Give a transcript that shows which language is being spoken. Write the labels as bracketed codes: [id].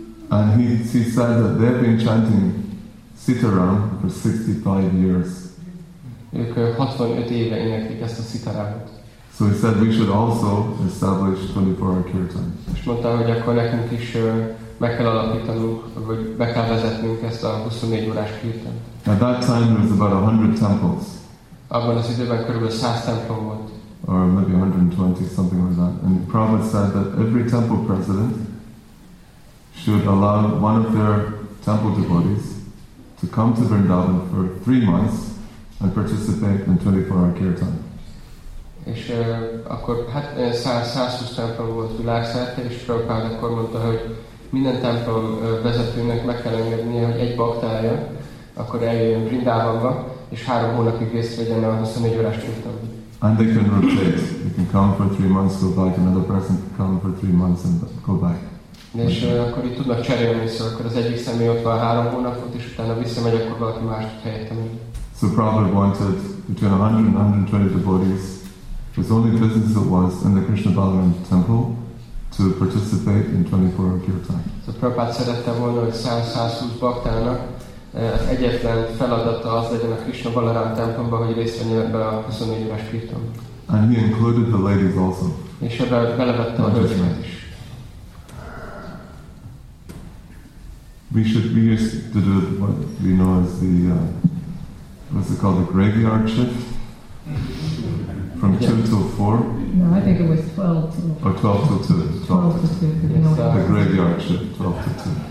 [en] And he said that they've been chanting Sitaram for 65 years. [hu] Ők 65 éve énekelik ezt a Sitaramot. [en] So he said we should also establish 24-hour kirtan. [hu] És mondta, hogy akkor nekünk is meg kell alapítanunk, vagy be kell vezetnünk ezt a 24 órás kirtan. [en] At that time there was about 100 temples. [hu] Abban az időben körülbelül 100 templom volt. [en] Or maybe 120, something like that. And Prabhupada said that every temple president should allow one of their temple devotees to come to Vrindavan for 3 months and participate in 24-hour kirtan. [hu] És akkor 120 templom volt világszerte, és Prabhupád akkor mondta, hogy minden templom vezetőnek meg kell engednie, hogy egy baktája, akkor eljön Vrindavanba, és 3 hónapig részt vegyen a 24 órás kirtan. [en] And they can rotate. You can come for 3 months, go back, another person can come for 3 months and go back. [hu] És akkor itt tudnak cserélni, szóval akkor az egyik személy ott van 3 hónapot, és utána visszamegy, akkor valaki mást helyettem. [en] So Prabhupada wanted between 100 and 120 devotees, whose only business it was in the Krishna Balaram temple, to participate in 24-hour kirtan. [hu] So Prabhupada szerette volna, hogy 100-120 baktának az egyetlen feladata az legyen a Krishna Balaram templomban, hogy részt venjen ebbe a 24 órás kirtan. [en] And he included the ladies also. [hu] És ebbe belevette a hölgyeket is. [en] We used to do what we know as the what's it called, the graveyard shift. From 2 to 4? No, I think it was 12 to 2. Or 12 to 2. 12 to 2. The graveyard shift, 12 to 2.